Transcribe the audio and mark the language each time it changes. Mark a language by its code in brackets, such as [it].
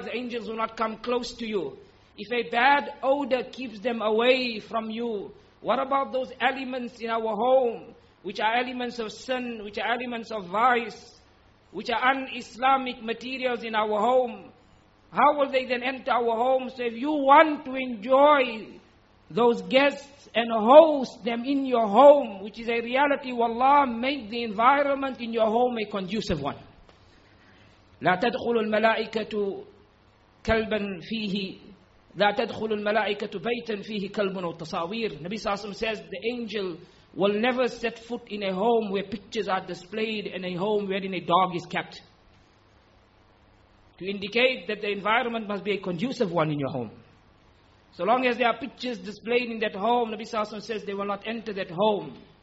[en] The angels will not come close to you. If a bad odor keeps them away from you, what about those elements in our home which are elements of sin, which are elements of vice, which are un-Islamic materials in our home? How will they then enter our home? So if you want to enjoy those guests and host them in your home, which is a reality, wallah, make the environment in your home a conducive one. [ar] لا تدخل الملائكة كلبا فيه. لَا تَدْخُلُ الْمَلَائِكَةُ بَيْتًا فِيهِ كَلْبٌ وَالتَّصَاوِيرُ. [en] Nabi Sallallahu Alaihi Wasallam says, the angel will never set foot in a home where pictures are displayed and a home wherein a dog is kept. To indicate that the environment must be a conducive one in your home. So long as there are pictures displayed in that home, Nabi Sallallahu Alaihi Wasallam says, they will not enter that home.